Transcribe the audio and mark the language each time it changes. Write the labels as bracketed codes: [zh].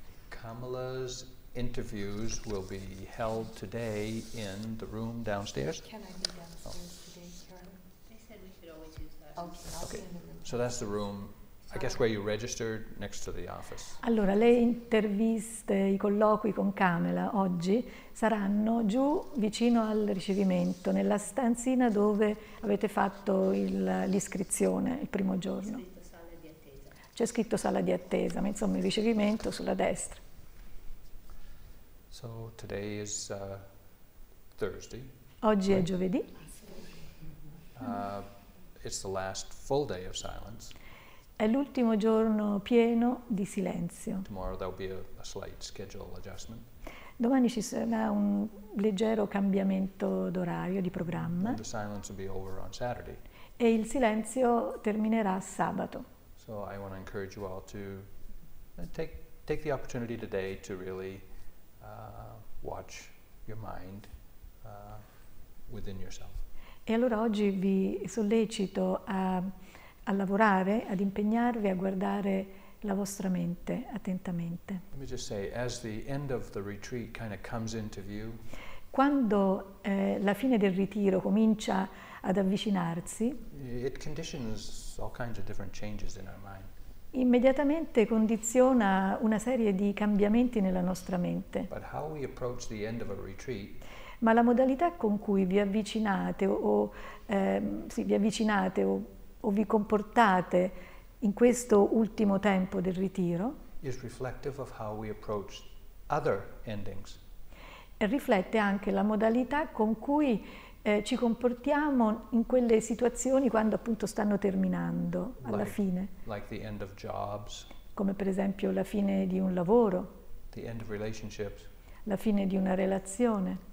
[en] Kamala's interviews will be held today in the room downstairs. Can I be downstairs today, Carol? They said we should always use that. Okay. So that's the room. I guess where you registered next to the office. [it] Allora, le interviste, i colloqui con Kamala oggi saranno giù vicino al ricevimento, nella stanzina dove avete fatto l'iscrizione il primo giorno. C'è scritto sala di attesa. C'è scritto sala di attesa, ma insomma il ricevimento sulla destra. [en] So today is Thursday. [it] Oggi right? È giovedì. [en] It's the last full day of silence. [it] È l'ultimo giorno pieno di silenzio. [en] Tomorrow there'll be a slight schedule adjustment. [it] Domani ci sarà un leggero cambiamento d'orario, di programma. [en] And the silence will be over on Saturday. [it] E il silenzio terminerà sabato. [en] So I want to encourage you all to take the opportunity today to really watch your mind within yourself. [it] E allora oggi vi sollecito a lavorare, ad impegnarvi a guardare la vostra mente attentamente. [en] Let me just say, as the end of the retreat kind of comes into view, [it] quando la fine del ritiro comincia ad avvicinarsi, [en] it conditions all kinds of different changes in our mind. [it] Immediatamente condiziona una serie di cambiamenti nella nostra mente. [en] But how we approach the end of a retreat, [it] ma la modalità con cui vi avvicinate o vi comportate in questo ultimo tempo del ritiro [en] is reflective of how we approach other endings. [it] E riflette anche la modalità con cui ci comportiamo in quelle situazioni quando appunto stanno terminando, alla fine. [en] Like the end of jobs, [it] come per esempio la fine di un lavoro, [en] the end of relationships, [it] la fine di una relazione